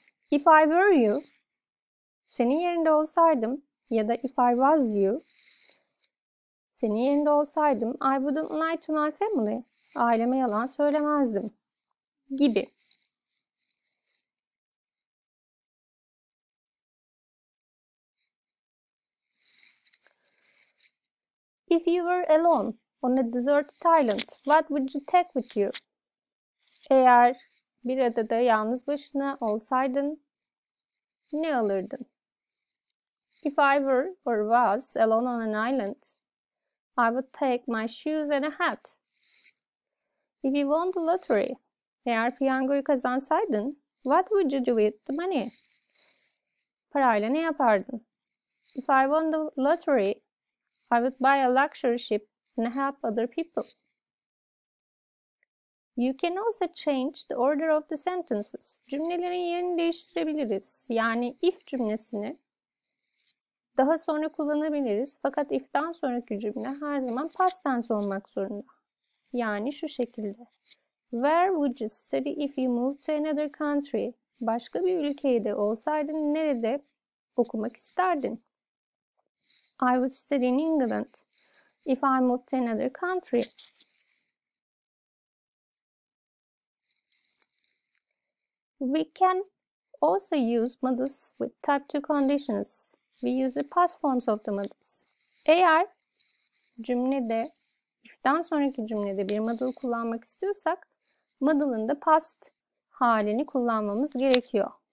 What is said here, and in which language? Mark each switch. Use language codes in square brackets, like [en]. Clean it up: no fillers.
[en] If I were you, [tr] senin yerinde olsaydım ya da [en] if I was you, [tr] senin yerinde olsaydım, [en] I wouldn't lie to my family, [tr] aileme yalan söylemezdim gibi. [en] If you were alone on a deserted island, what would you take with you? [tr] Eğer bir adada yalnız başına olsaydın, ne alırdın? [en] If I were or was alone on an island, I would take my shoes and a hat. If you won the lottery, [tr] eğer piyangoyu kazansaydın, [en] what would you do with the money? [tr] Parayla ne yapardın? [en] If I won the lottery, I would buy a luxury ship and help other people. You can also change the order of the sentences. [tr] Cümlelerin yerini değiştirebiliriz. Yani if cümlesini daha sonra kullanabiliriz. Fakat if'den sonraki cümle her zaman past tense olmak zorunda. Yani şu şekilde. [en] Where would you study if you moved to another country? [tr] Başka bir ülkede olsaydın nerede okumak isterdin? [en] I would study in England if I moved to another country. We can also use modes with type 2 conditions. We use the past forms of the modes. [tr] Eğer cümlede, if'den sonraki cümlede bir model kullanmak istiyorsak, model'ın da past halini kullanmamız gerekiyor.